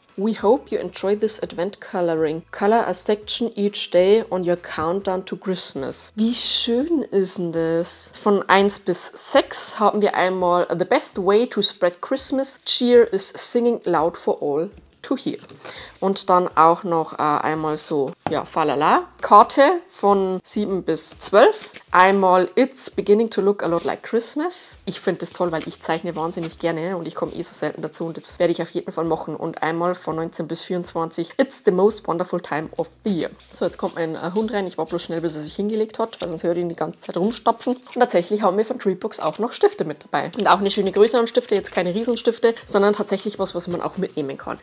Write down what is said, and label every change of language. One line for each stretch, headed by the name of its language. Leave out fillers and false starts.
English: We hope you enjoy this advent coloring. Color a section each day on your countdown to Christmas.
German: Wie schön ist denn das? Von 1 bis 6 haben wir einmal
English: the best way to spread Christmas cheer is singing loud for all to hear.
German: Und dann auch noch einmal so, ja, falala. Karte von 7 bis 12.
English: Einmal it's beginning to look a lot like Christmas.
German: Ich finde das toll, weil ich zeichne wahnsinnig gerne und ich komme eh so selten dazu und das werde ich auf jeden Fall machen. Und einmal von 19 bis 24
English: it's the most wonderful time of the year.
German: So, jetzt kommt mein Hund rein. Ich war bloß schnell, bis er sich hingelegt hat, weil sonst hört ihn die ganze Zeit rumstapfen. Und tatsächlich haben wir von Treatbox auch noch Stifte mit dabei. Und auch eine schöne Größe an Stifte, jetzt keine Riesenstifte, sondern tatsächlich was, was man auch mitnehmen kann.